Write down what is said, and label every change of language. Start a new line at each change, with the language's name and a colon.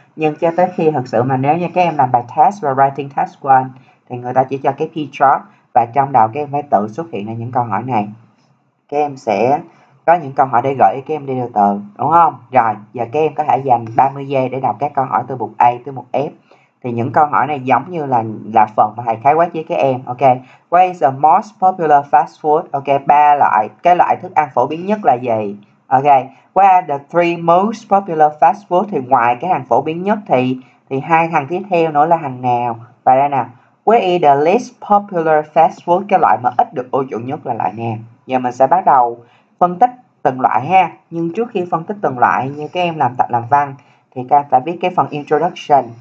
Vietnamese: Nhưng cho tới khi thực sự mà nếu như các em làm bài test và writing test one thì người ta chỉ cho cái pie chart và trong đầu các em phải tự xuất hiện ra những câu hỏi này. Các em sẽ có những câu hỏi để gợi ý các em đi từ từ, đúng không? Rồi, giờ các em có thể dành 30 giây để đọc các câu hỏi từ mục A tới mục F. Thì những câu hỏi này giống như là phần mà thầy khái quát với các em.
English: Ok, what is the most popular fast food?
Vietnamese: Ok, ba loại, cái loại thức ăn phổ biến nhất là gì?
English: Ok, what are the three most popular fast food?
Vietnamese: Thì ngoài cái hàng phổ biến nhất thì hai thằng tiếp theo nữa là hàng nào? Và đây nè,
English: what is the least popular fast food?
Vietnamese: Cái loại mà ít được ưa chuộng nhất là loại nào? Giờ mình sẽ bắt đầu phân tích từng loại ha. Nhưng trước khi phân tích từng loại, như các em làm tập làm văn thì các em phải viết cái phần introduction.